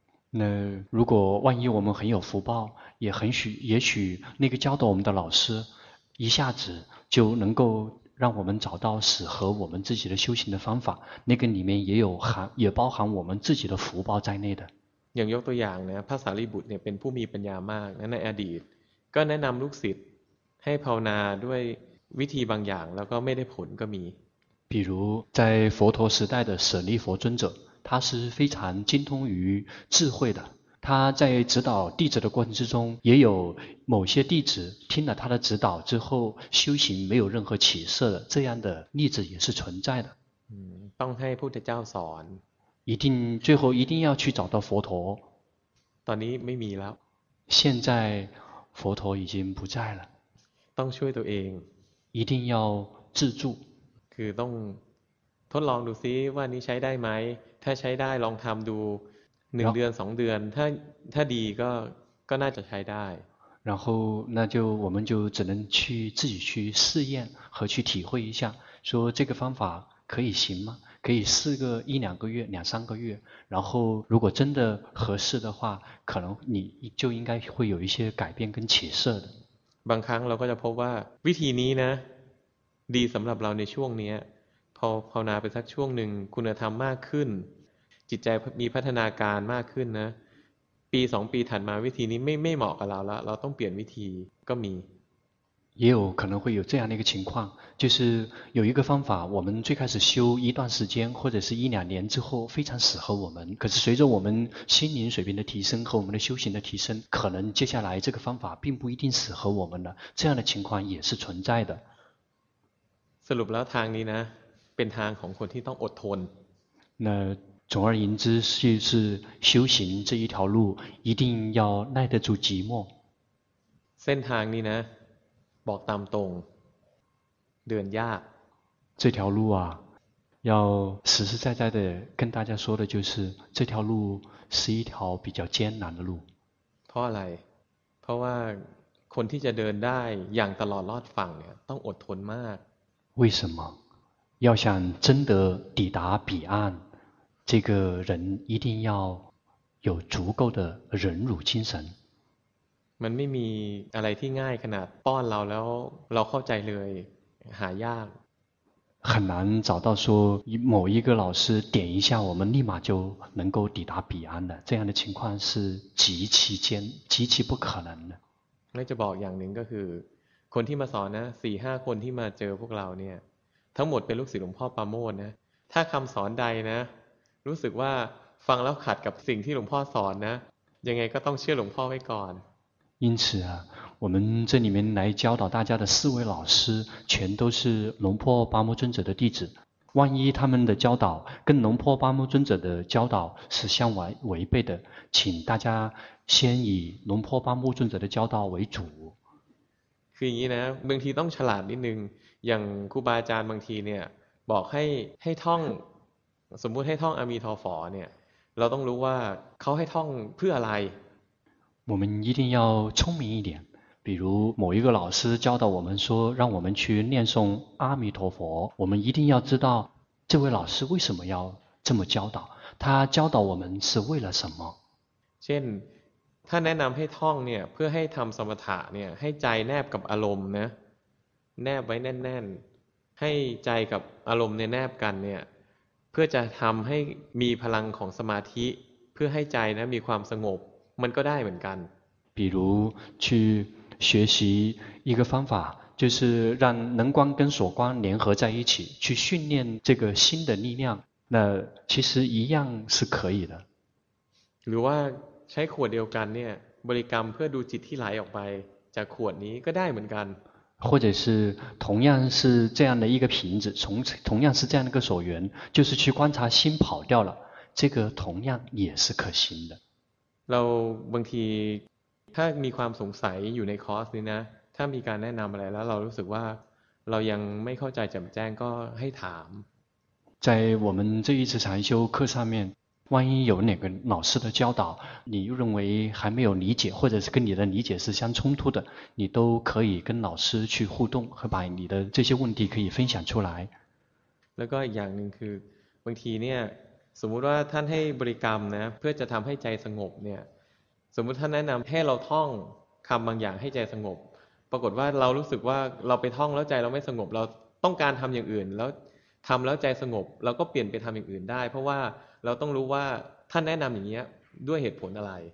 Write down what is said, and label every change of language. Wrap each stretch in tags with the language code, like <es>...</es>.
<zh>那如果万一我们很有福报也很许也许那个教导我们的老师一下子就能够让我们找到适合我们自己的修行的方法那个里面也有含也包含我们自己的福报在内的</zh> <th>อย่างยกตัวอย่างนะพระสารีบุตรเนี่ยเป็นผู้มีปัญญามากนะในอดีตก็แนะนำลูกศิษย์ให้ภาวนาด้วยวิธีบางอย่างแล้วก็ไม่ได้ผลก็มี</th> <zh>比如在佛陀时代的舍利佛尊者他是非常精通于智慧的他在指导弟子的过程之中也有某些弟子听了他的指导之后修行没有任何起色的这样的例子也是存在的</zh> <th>ต้องให้พุทธเจ้าสอน</th> <zh>一定最后一定要去找到佛陀</zh> <th>ตอนนี้ไม่มีแล้ว</th> <zh>现在佛陀已经不在了</zh> <th>ต้องช่วยตัวเอง</th> <zh>一定要自助</zh> <th>คือต้องทดลองดูซิว่านี้ใช้ได้ไหมถ้าใช้ได้ลองทำดู1เดือน2เดือนถ้าดีก็น่าจะใช้ได้</th> <zh>然后那就我们就只能去自己去试验和去体会一下说这个方法可以行吗可以试个一两个月两三个月然后如果真的合适的话可能你就应该会有一些改变跟起色的</zh> <th>บางครั้งเราก็จะพบว่าวิธีนี้นะดีสำหรับเราในช่วงนี้พอภาวนาไปสักช่วงหนึ่งคุณธรรมมากขึ้นจิตใจมีพัฒนาการมากขึ้นนะปีสองปีถัดมาวิธีนี้ไม่เหมาะกับเราแล้วเราต้องเปลี่ยนวิธีก็มี</th> <zh>也有可能会有这样的一个情况就是有一个方法我们最开始修一段时间或者是一两年之后非常适合我们可是随着我们心灵水平的提升和我们的修行的提升可能接下来这个方法并不一定适合我们了这样的情况也是存在的</zh> <th>สรุปแล้วทางนี้นะเป็นทางของคนที่ต้องอดทน</th> <zh>那总而言之是修行这一条路一定要耐得住寂寞</zh> <th>เส้นทางนี้นะบอกตามตรงเดินยาก</th> <zh>这条路啊要实实在在的跟大家说的就是这条路是一条比较艰难的路</zh> <th>เพราะอะไรเพราะว่าคนที่จะเดินได้อย่างตลอดรอดฝั่งเนี่ยต้องอดทนมาก</th> <zh>为什么要想真的抵达彼岸这个人一定要有足够的忍辱精神</zh> <th>มันไม่มีอะไรที่ง่ายขนาดป้อนเราแล้วเราเข้าใจเลยหายาก</th> <zh>很难找到说某一个老师点一下我们立马就能够抵达彼岸的，这样的情况是极其艰极其不可能的。那就</zh> <th>บอกอย่างหนึ่งก็คือคนที่มาสอนนะสี่ห้าคนที่มาเจอพวกเราเนี่ยทั้งหมดเป็นลูกศิษย์หลวงพ่อปาโมทย์นะถ้าคำสอนใดนะรู้สึกว่าฟังแล้วขัดกับสิ่งที่หลวงพ่อสอนนะยังไงก็ต้องเชื่อหลวงพ่อไว้ก่อน</th> <zh>因此啊，我们这里面来教导大家的四位老师，全都是龙婆巴摩尊者的弟子。万一他们的教导跟龙婆巴摩尊者的教导是相违背的，请大家先以龙婆巴摩尊者的教导为主。</zh> <th>คืออย่างนี้นะบางทีต้องฉลาดนิดนึงอย่างครูบาอาจารย์บางทีเนี่ยบอกให้ท่องสมมุติให้ท่องอะมีทอฟอเนี่ยเราต้องรู้ว่าเขาให้ท่องเพื่ออะไร</th> <zh>我们一定要聪明一点，比如某一个老师教导我们说让我们去念诵阿弥陀佛，我们一定要知道这位老师为什么要这么教导，他教导我们是为了什么。</zh> <th>เช่นถ้าแนะนำให้ท่องเนี่ยเพื่อให้ทำสมถะเนี่ยให้ใจแนบกับอารมณ์นะแนบไว้แน่นๆให้ใจกับอารมณ์เนี่ยแนบกันเนี่ยเพื่อจะทำให้มีพลังของสมาธิเพื่อให้ใจนะมีความสงบมันก็ได้เหมือนกัน</th> <zh>比如去学习一个方法就是让能观跟所观联合在一起去训练这个心的力量那其实一样是可以的</zh> <th>หรือว่าใช้ขวดเดียวกันเนี่ยบริกรรมเพื่อดูจิตที่ไหลออกไปจากขวดนี้ก็ได้เหมือนกัน</th> <zh>或者是同样是这样的一个瓶子同样是这样的一个所缘就是去观察心跑掉了这个同样也是可行的</zh> <th>เราบางทีถ้ามีความสงสัยอยู่ในคอร์สนี้นะถ้ามีการแนะนำอะไรแล้วเรารู้สึกว่าเรายังไม่เข้าใจแจ่มแจ้งก็ให้ถาม</th> <zh>在我们这一次禅修课上面万一有哪个老师的教导你认为还没有理解或者是跟你的理解是相冲突的你都可以跟老师去互动和把你的这些问题可以分享出来</zh> <th>แล้วก็อีกอย่างนึงคือบางทีเนี่ยสมมติว่าท่านให้บริกรรมนะเพื่อจะทำให้ใจสงบเนี่ยสมมติท่านแนะนำให้เราท่องคำบางอย่างให้ใจสงบปรากฏว่าเรารู้สึกว่าเราไปท่องแล้วใจเราไม่สงบเราต้องการทำอย่างอื่นแล้วทำแล้วใจสงบเราก็เปลี่ยนไปทำอย่างอื่นได้เพราะว่าเราต้องรู้ว่าท่านแนะนำอย่างนี้ด้วยเหตุผลอะไร</th>